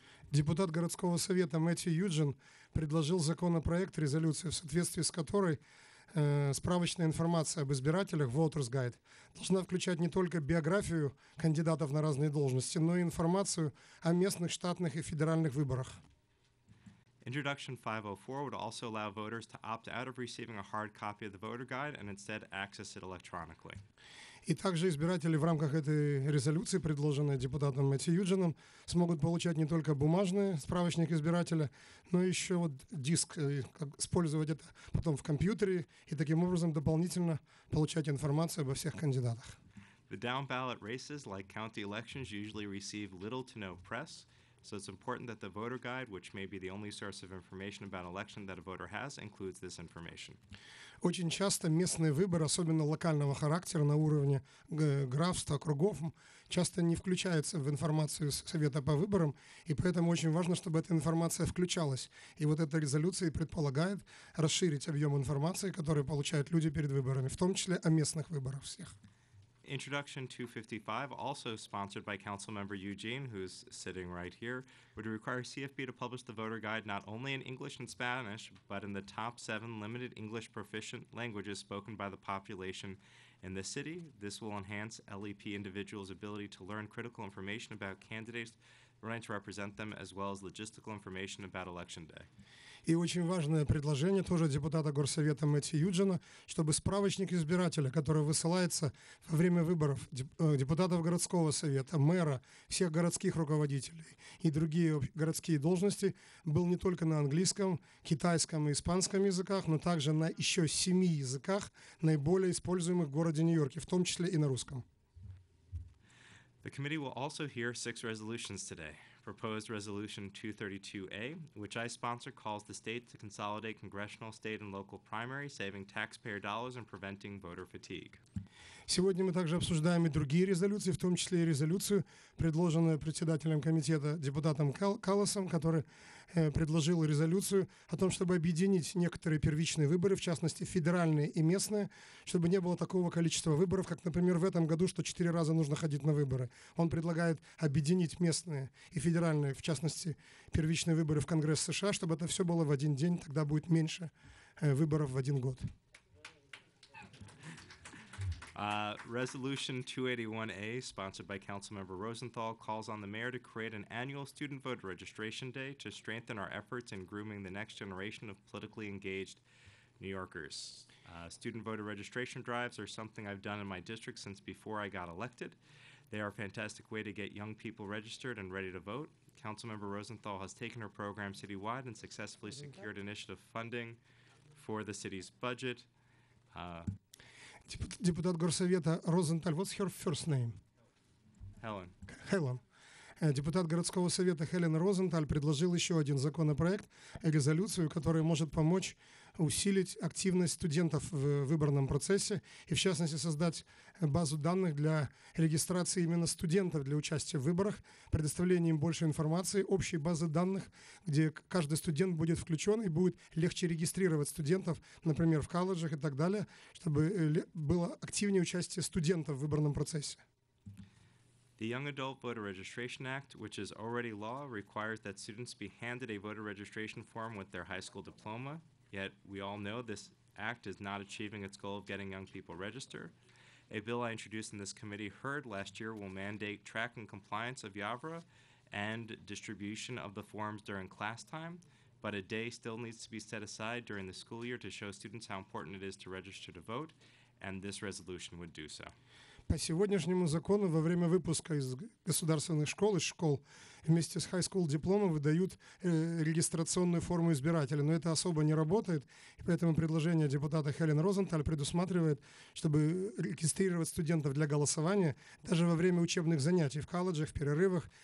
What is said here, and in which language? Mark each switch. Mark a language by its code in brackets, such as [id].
[ru] Депутат городского совета Мэтью Юджин предложил законопроект, резолюцию, в соответствии с которой справочная информация об избирателях [en] Voters Guide [ru] должна включать не только биографию кандидатов на разные должности, но и информацию о местных, штатных и федеральных выборах. [en] Introduction 504 would also allow voters to opt out of receiving a hard copy of the voter guide and instead access it electronically. [ru] И также избиратели в рамках этой резолюции, предложенной депутатом Мэтью Юджином, смогут получать не только бумажный справочник избирателя, но еще вот диск, как использовать это потом в компьютере и таким образом дополнительно получать информацию обо всех кандидатах. [en] The down-ballot races, like county elections, usually receive little to no press, so it's important that the voter guide, which may be the only source of information about an election that a voter has, includes this information. [ru] Очень часто местные выборы, особенно локального характера на уровне графства, округов, часто не включаются в информацию Совета по выборам, и поэтому очень важно, чтобы эта информация включалась. И вот эта резолюция предполагает расширить объем информации, который получают люди перед выборами, в том числе о местных выборах всех. [en] Introduction 255, also sponsored by Councilmember Eugene, who's sitting right here, would require CFP to publish the voter guide not only in English and Spanish, but in the top 7 limited English proficient languages spoken by the population in the city. This will enhance LEP individuals' ability to learn critical information about candidates running to represent them, as well as logistical information about Election Day. [ru] И очень важное предложение тоже депутата Горсовета Мэтью Юджина, чтобы справочник избирателя, который высылается во время выборов депутатов городского совета, мэра, всех городских руководителей и другие городские должности, был не только на английском, китайском и испанском языках, но также на еще 7 языках, наиболее используемых в городе Нью-Йорке, в том числе и на русском. [en] The committee will also hear 6 resolutions today. Proposed Resolution 232A, which I sponsor, calls the state to consolidate congressional, state, and local primaries, saving taxpayer dollars and preventing voter fatigue. [ru] Сегодня мы также обсуждаем и другие резолюции, в том числе и резолюцию, предложенную председателем комитета депутатом Калласом, который предложил резолюцию о том, чтобы объединить некоторые первичные выборы, в частности, федеральные и местные, чтобы не было такого количества выборов, как, например, в этом году, что 4 раза нужно ходить на выборы. Он предлагает объединить местные и федеральные, в частности, первичные выборы в Конгресс США, чтобы это все было в один день, тогда будет меньше выборов в один год. [en] Resolution 281A, sponsored by Councilmember Rosenthal, calls on the mayor to create an annual student voter registration day to strengthen our efforts in grooming the next generation of politically engaged New Yorkers. Student voter registration drives are something I've done in my district since before I got elected. They are a fantastic way to get young people registered and ready to vote. Councilmember Rosenthal has taken her program citywide and successfully secured initiative funding for the city's budget. [ru] Депутат Горсовета Розенталь. [en] What's her first name? Helen. Helen. [ru] Депутат городского совета Хелен Розенталь предложил еще один законопроект, резолюцию, которая может помочь усилить активность студентов в выборном процессе и, в частности, создать базу данных для регистрации именно студентов для участия в выборах, предоставление им больше информации, общей базы данных, где каждый студент будет включен и будет легче регистрировать студентов, например, в колледжах и так далее, чтобы было активнее участие студентов в выборном процессе. [en] The Young Adult Voter Registration Act, which is already law, requires that students be handed a voter registration form with their high school diploma. Yet we all know this act is not achieving its goal of getting young people registered. A bill I introduced in this committee heard last year will mandate track and compliance of YAVRA and distribution of the forms during class time, but a day still needs to be set aside during the school year to show students how important it is to register to vote, and this resolution would do so. [ru] По сегодняшнему закону во время выпуска из государственных школ, из школ, вместе с high school дипломом выдают регистрационную форму избирателя. Но это особо не работает, и поэтому предложение депутата Хелен Розенталь предусматривает, чтобы регистрировать студентов для голосования даже во время учебных занятий в колледжах, в перерывах.